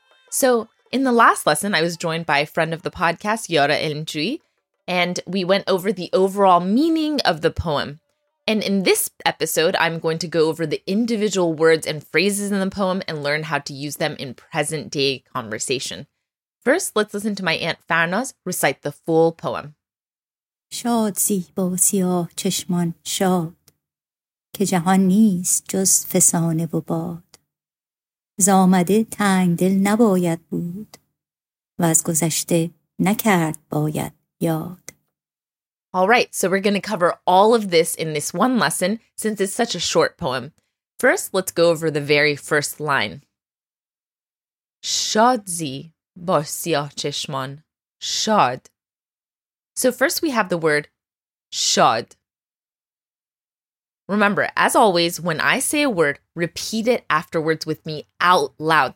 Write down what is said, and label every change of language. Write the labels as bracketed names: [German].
[English] So, in the last lesson, I was joined by a friend of the podcast, Yara Elmjui, and we went over the overall meaning of the poem. And in this episode, I'm going to go over the individual words and phrases in the poem and learn how to use them in present-day conversation. First, let's listen to my Aunt Farnaz recite the full poem. [Persian] شاد زیبا سیاه چشمان شاد که جهان نیست جز فسانه و باد زامده تنگ دل نباید بود و از گذشته نکرد باید یاد. [English] All right, so we're going to cover all of this in this one lesson since it's such a short poem. First, let's go over the very first line. [Persian] شاد زیبا سیاه چشمان شاد. [English] So first we have the word shad. Remember, as always, when I say a word, repeat it afterwards with me out loud.